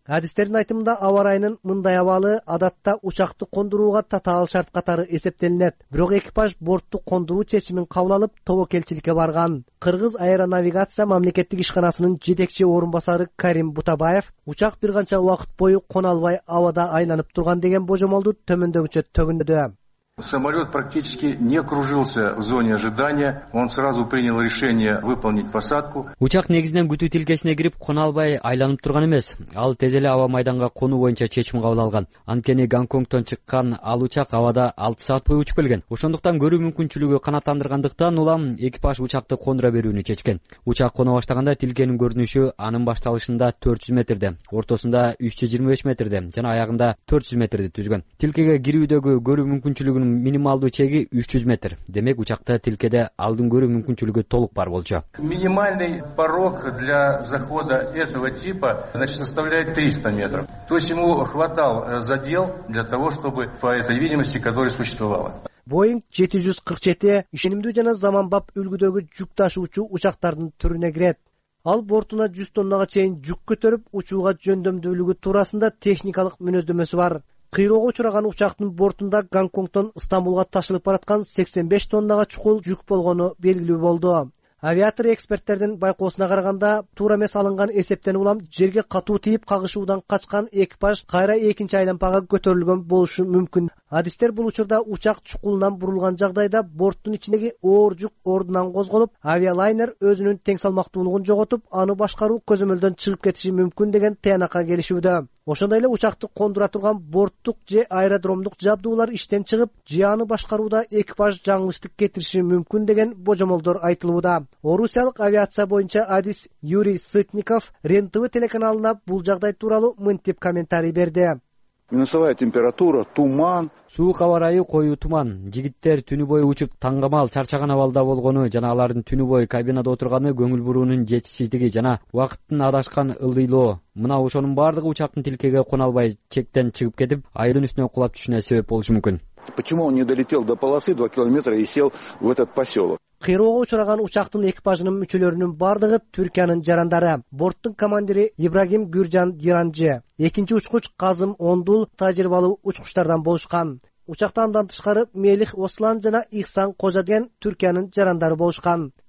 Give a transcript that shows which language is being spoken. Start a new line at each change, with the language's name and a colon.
Kyrgyz: Адистердин айтымында аба ырайынын мындай абалы адатта учакты кондурууга татаал шарт катары эсептелинет. Бирок экипаж бортту кондуруу чечимин кабыл алып тобокелчиликке барган. Кыргыз аэронавигация мамлекеттик ишканасынын жетекчи орун басары Карим Бутабаев учак бир канча убакыт бою коно албай абада айланып турган деген божомолду төмөндөгүчө төгүндөдү.
Russian: Самолет практически не кружился в зоне ожидания, он сразу принял решение выполнить посадку.
Kyrgyz: Учак негизинен күтүү тилкесине кирип, коно албай айланып турган эмес. Ал тез эле аба майданга конуу боюнча чечим кабыл алган. Анткени Гонконгтон чыккан ал учак абада 6 саат бою учуп келген. Ошондуктан көрүү мүмкүнчүлүгү канааттандыргандыктан улам экипаж учакты кондура берүүнү чечкен. Учак коно баштаганда тилкенин көрүнүшү анын башталышында 400 метрде, ортосунда 325 метрде жана аягында 400 метрди түзгөн. Тилкеге кирүүдөгү көрүү мүмкүнчүлүгү минималдуу чеги 300 метр. Демек учакта тилкеде алдын көрүү мүмкүнчүлүгү толук бар болчу.
Russian: Минимальный порог для захода этого типа составляет 300 метров. То есть ему хватал задел для того, чтобы по этой видимости, которая существовала.
Kyrgyz: Боинг 747 ишенимдүү жана заманбап үлгүдөгү жүк ташуучу учактардын түрүнө кирет. Ал бортуна 100 тоннага чейин жүк көтөрүп учууга жөндөмдүүлүгү туурасында техникалык мүнөздөмөсү бар. Кыйроого учураган учактын бортунда Гонконгтон Стамбулга ташылып бараткан 85 тоннага чукул жүк болгону белгилүү болду. Авиатор эксперттердин байкоосуна караганда, туура эмес алынган эсептен улам жерге катуу тийип кагышуудан качкан экипаж кайра экинчи айлампага көтөрүлгөн болушу мүмкүн. Адистер бул учурда учак чукулунан бурулган жагдайда борттун ичиндеги оор жүк ордунан козголуп, авиалайнер өзүнүн тең салмактуулугун жоготуп, аны башкаруу көзөмөлдөн чыгып кетиши мүмкүн деген тыянакка келишүүдө. Ошондой эле учакты кондура турган борттук же аэродромдук жабдуулар иштен чыгып, жыяны башкарууда экипаж жаңылыштык кетириши мүмкүн деген божомолдор айтылууда. Орусиялык авиация боюнча адис Юрий Сытников РЕН-ТВ телеканалына бул жагдай тууралуу мынтип комментарий берди.
Russian: Минусовая температура, туман.
Kyrgyz: Суук аба ырайы, коюу туман. Жигиттер түнү бою учуп таңгамал чарчаган абалда болгону жана алардын түнү бою кабинада отурганы көңүл буруунун жетишсиздиги жана убакыттын адашкан ылдыйлоо. Мына ошонун баардыгы учактын тилкеге коно албай чектен чыгып кетип, айрын үстүнө кулап түшүнө себеп болушу мүмкүн.
Russian: Почему он не долетел до полосы 2 километра и сел в этот поселок?
Kyrgyz: Кыйроого учураган учактын экипажынын мүчөлөрүнүн баардыгы Түркиянын жарандары. Борттун командири Ибрагим Гүржан Диранжы, экинчи учкуч Казым Ондул тажрыйбалуу учкучтардан болушкан. Учакта андан тышкары Мелих Ослан жана Ихсан Кожа деген Түркиянын жарандары болушкан.